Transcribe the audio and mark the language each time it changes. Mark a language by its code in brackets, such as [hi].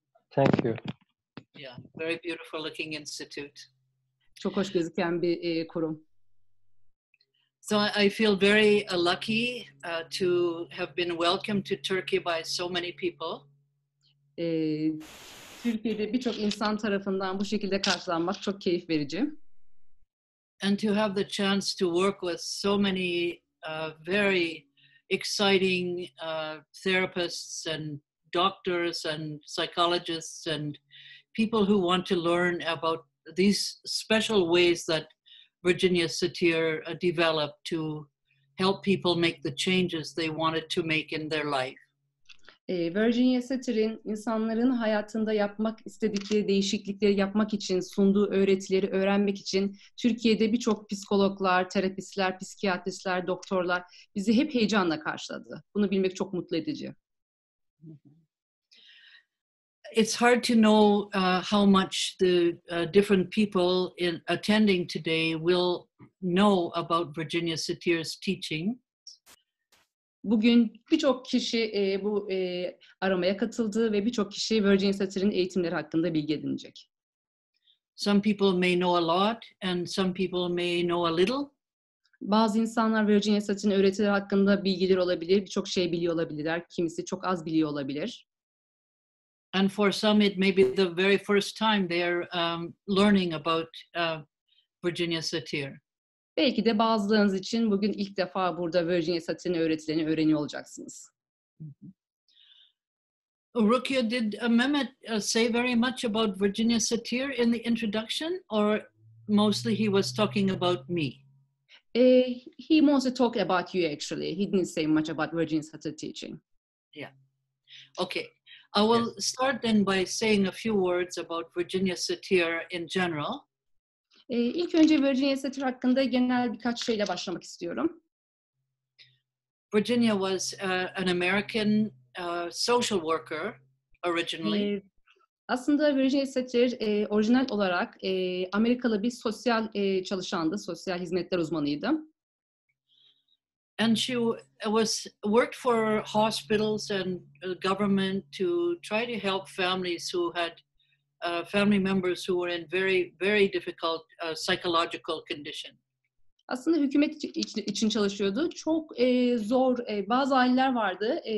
[en] Thank you. Yeah, very beautiful looking institute. [tr] Çok hoş gözüken bir kurum. [en] So I feel very lucky to have been welcomed to Turkey by so many people. [tr] Türkiye'de birçok insan tarafından bu şekilde karşılanmak çok keyif verici. [en] And to have the chance to work with so many very exciting therapists and doctors and psychologists and people who want to learn about these special ways that Virginia Satir developed to help people make the changes they wanted to make in their life. [tr] Virginia Satir'in insanların hayatında yapmak istedikleri değişiklikleri yapmak için sunduğu öğretileri öğrenmek için Türkiye'de birçok psikologlar, terapistler, psikiyatristler, doktorlar bizi hep heyecanla karşıladı. Bunu bilmek çok mutlu edici. [en] It's hard to know how much the different people in attending today will know about Virginia Satir's teaching. [tr] Bugün birçok kişi bu aramaya katıldı ve birçok kişi Virginia Satir'in eğitimleri hakkında bilgi edinecek. [en] Some people may know a lot and some people may know a little. [tr] Bazı insanlar Virginia Satir'in öğretileri hakkında bilgiler olabilir, birçok şey biliyor olabilirler. Kimisi çok az biliyor olabilir. [en] And for some it may be the very first time they are learning about Virginia Satir. [tr] Belki de bazılarınız için bugün ilk defa burada Virginia Satir'in öğretilerini öğreniyor olacaksınız. [en] Rukia, did Mehmet say very much about Virginia Satir in the introduction or mostly he was talking about me? He mostly talked about you actually. He didn't say much about Virginia Satir teaching. Yeah. Okay. I will start then by saying a few words about Virginia Satir in general. [tr] İlk önce Virginia Satir hakkında genel birkaç şeyle başlamak istiyorum. [en] Virginia was an American social worker originally. [tr] Aslında Virginia Satir orijinal olarak Amerikalı bir sosyal çalışandı, sosyal hizmetler uzmanıydı. [en] And she worked for hospitals and government to try to help families who had family members who were in very, very difficult psychological condition. [tr] Aslında hükümet için çalışıyordu. Çok zor, bazı aileler vardı.